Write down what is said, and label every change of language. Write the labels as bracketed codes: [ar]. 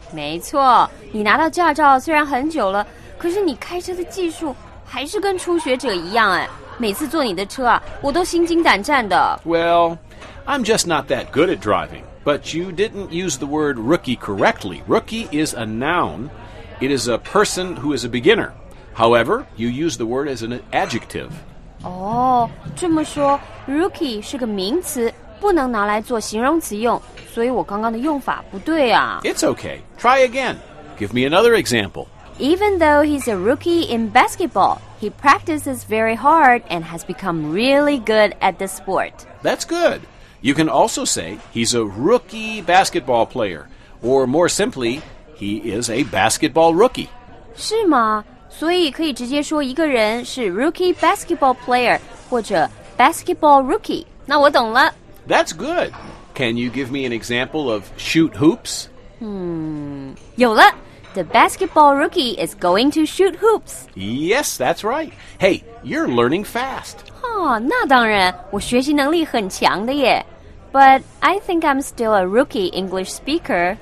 [zh] 没错，你拿到驾照虽然很久了，可是你开车的技术还是跟初学者一样哎。每次坐你的车啊，我都心惊胆战的。 [en] Well, I'm just not that good at driving. But you didn't use the word rookie correctly. Rookie is a noun. It is a person who is a beginner. However, you use the word as an adjective. [zh] 哦，这么说 ，rookie 是个名词，不能拿来做形容词用，所以我刚刚的用法不对啊。 [en] It's okay. Try again. Give me another example. Even though he's a rookie in basketball, he practices very hard and has become really good at the sport. That's good. You can also say he's a rookie basketball player, or more simply, he is a basketball rookie. [zh] 是吗？所以可以直接说一个人是 rookie basketball player 或者 basketball rookie。那我懂了。 [en] That's good. Can you give me an example of shoot hoops? [zh] 有了。 [en] The basketball rookie is going to shoot hoops. Yes, that's right. Hey, you're learning fast. [zh] 哦，那当然，我学习能力很强的耶。 [en] But I think I'm still a rookie English speaker.